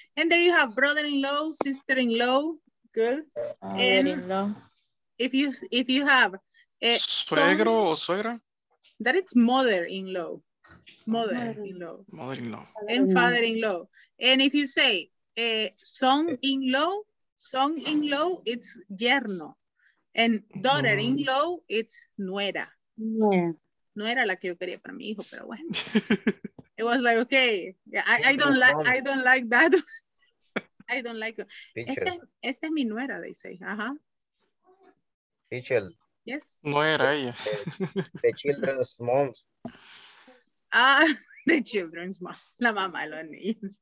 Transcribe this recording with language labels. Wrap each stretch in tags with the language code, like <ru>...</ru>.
<en>And there you have brother-in-law, sister-in-law. Good. And if you have suegro or suegra, that is mother-in-law. And father-in-law. And if you say son-in-law, it's yerno. And daughter-in-law, it's nuera. Yeah.</en> <es>Nuera la que yo quería para mi hijo, pero bueno.</es> <en>It was like, okay, yeah, I don't like that. I don't like it.</en> <es>Esta es mi nuera,</es> <en>they say. Teacher. Yes.</en> <es>Nuera ella.</es> <en>The children's mom. The children's mom.</en> <es>La mamá lo ni.</es>